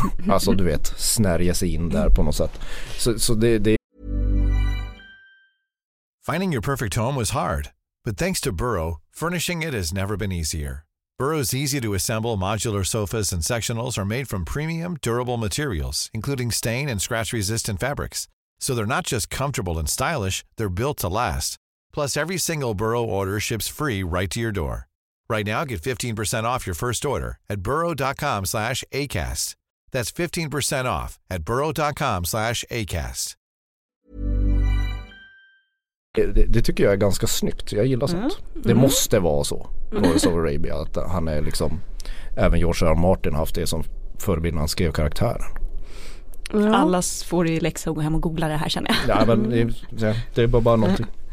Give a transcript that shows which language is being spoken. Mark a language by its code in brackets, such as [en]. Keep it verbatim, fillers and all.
[sv] Alltså du vet, snärja sig in där på något sätt. Så, så det, det... [en] Finding your perfect home was hard, but thanks to Burrow, furnishing it has never been easier. Burrow's easy-to-assemble modular sofas and sectionals are made from premium, durable materials, including stain and scratch-resistant fabrics. So they're not just comfortable and stylish, they're built to last. Plus, every single Burrow order ships free right to your door. Right now, get fifteen percent off your first order at burrow.com slash ACAST. That's fifteen percent off at burrow.com slash ACAST. [sv] Det, det tycker jag är ganska snyggt. Jag gillar sånt. Mm. Det måste vara så. Lawrence of Arabia, att han är liksom, även George R. R. Martin haft det som förebild när han skrev karaktären. Ja. Alla får i läxa och gå hem och googla det här, känner jag. Ja, men det, det är bara, bara någonting.